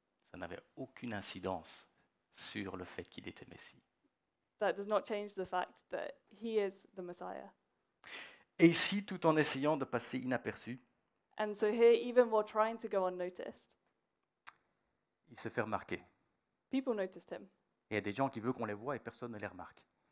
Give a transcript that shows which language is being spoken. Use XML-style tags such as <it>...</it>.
<fr>Ça n'avait aucune incidence sur le fait qu'il était Messie.</fr> <en>That does not change the fact that he is the Messiah.</en> <fr>Et ici, tout en essayant de passer inaperçu.</fr> <en>And so here, even while trying to go unnoticed.</en> <fr>Il se fait remarquer.</fr> <en>People noticed him.</en> <fr>Il y a des gens qui veulent qu'on les voit et personne ne les remarque.</fr>